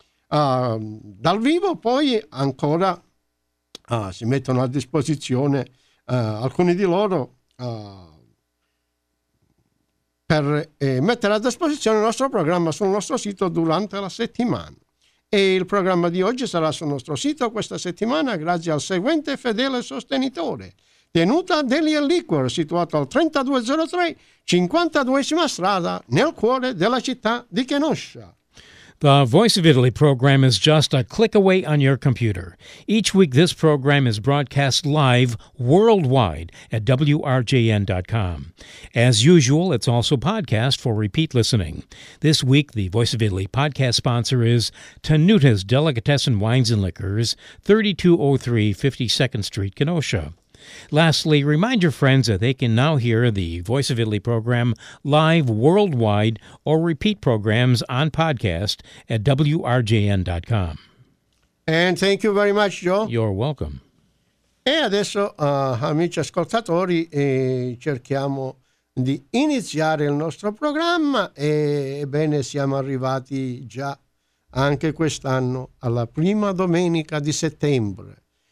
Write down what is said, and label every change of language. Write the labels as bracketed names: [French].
[Italian] dal vivo, poi ancora si mettono a disposizione alcuni di loro per mettere a disposizione il nostro programma sul nostro sito durante la settimana. E il programma di oggi sarà sul nostro sito questa settimana grazie al seguente fedele sostenitore: Tenuta Deli & Liquor, situato al 3203 52esima strada nel cuore della città di Kenosha. [English] The Voice of Italy program is just a click away on your computer. Each week this program is broadcast live worldwide at WRJN.com. As usual, it's also podcast for repeat listening. This week, the Voice of Italy podcast sponsor is Tenuta's Delicatessen Wines and Liquors, 3203 52nd Street, Kenosha. Lastly, remind your friends that they can now hear the Voice of Italy program live worldwide or repeat programs on podcast at WRJN.com. And thank you very much, Joe. You're welcome. [Italian] E adesso, amici ascoltatori, cerchiamo di iniziare il nostro programma. Ebbene, siamo arrivati già anche quest'anno alla prima domenica di settembre.